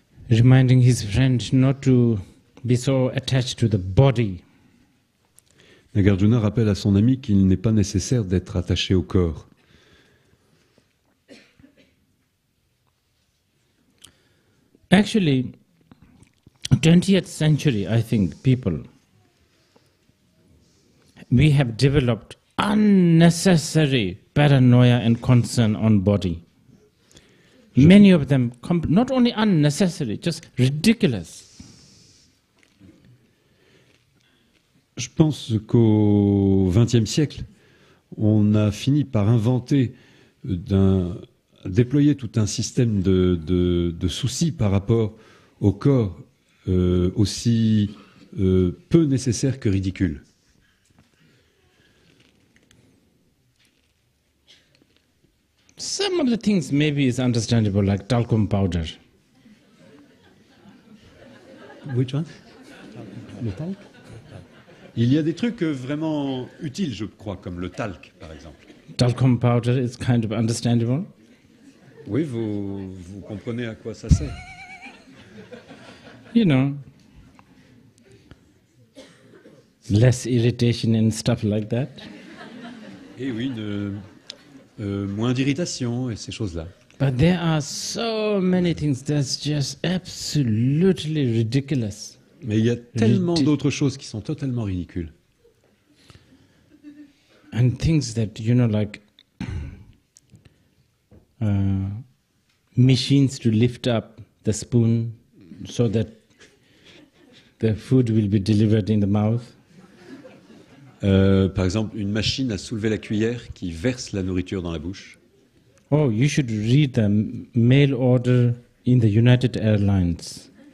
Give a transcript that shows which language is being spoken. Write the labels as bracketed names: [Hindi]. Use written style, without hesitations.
[English] Reminding his friend not to be so attached to the body. [French] Nagarjuna rappelle à son ami qu'il n'est pas nécessaire d'être attaché au corps. [English] Actually, 20th century, I think, people, we have developed unnecessary paranoia and concern on body. Many of them, not only unnecessary, just ridiculous. [French] Je pense qu'au 20e siècle, on a fini par inventer, déployer tout un système de soucis par rapport au corps. Aussi peu nécessaire que ridicule. [English] Some of the things maybe is understandable, like talcum powder. Which one? [French] Le talc? Il y a des trucs vraiment utiles, je crois, comme le talc, par exemple. [English] Talcum powder is kind of understandable. [French] Oui, vous comprenez à quoi ça sert. [English] You know, less irritation and stuff like that. [French] Et oui, moins d'irritation et ces choses-là. [English] But there are so many things that's just absolutely ridiculous. [French] Mais il y a tellement d'autres choses qui sont totalement ridicules. [English] And things that, you know, like machines to lift up the spoon so that the food will be delivered in the mouth. [French] Par exemple, une machine à soulever la cuillère qui verse la nourriture dans la bouche. [English] Oh, you should read the mail order in the United Airlines.